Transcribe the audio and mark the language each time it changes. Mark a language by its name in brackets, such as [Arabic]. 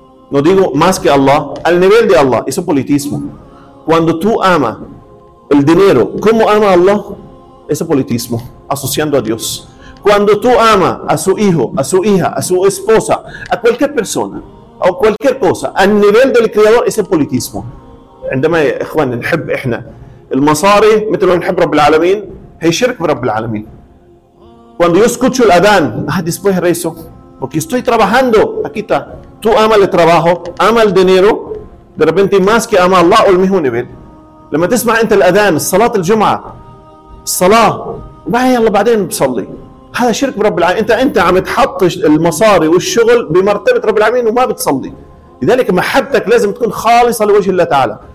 [Spanish] No digo más que Allah, al nivel de Allah. Eso es politismo. Cuando tú amas el dinero. ¿Cómo ama a Allah? Ese politismo, asociando a Dios. Cuando tú amas a su hijo, a su hija, a su esposa, a cualquier persona o cualquier cosa, al nivel del creador, ese politismo. [Arabic] عندما اخوان نحب احنا المصاري مثل ما نحب رب العالمين هي شرك برب العالمين. [Spanish] Cuando yo escucho el adán, después rezo, porque estoy trabajando, aquí está, tú ama el trabajo, ama el dinero, de repente más que ama Allah o el mismo nivel. [Arabic] لما تسمع انت الاذان الصلاه الجمعه الصلاه ما هي الله بعدين بصلي هذا شرك برب العالمين. انت عم تحط المصاري والشغل بمرتبه رب العالمين وما بتصلي. لذلك محبتك لازم تكون خالصه لوجه الله تعالى.